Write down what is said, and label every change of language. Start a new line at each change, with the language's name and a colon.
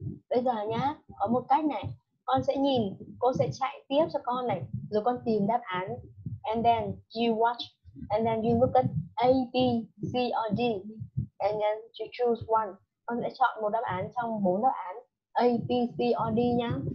Vietnamese: Bây giờ nhá, có một cách này. Con sẽ nhìn, cô sẽ chạy tiếp cho con này, rồi con tìm đáp án.
English: And then you watch, and then you look at A, B, C, or D, and then you choose one.
Vietnamese: Con sẽ chọn một đáp án trong bốn đáp án A, B, C,
English: or
Vietnamese: D nhá.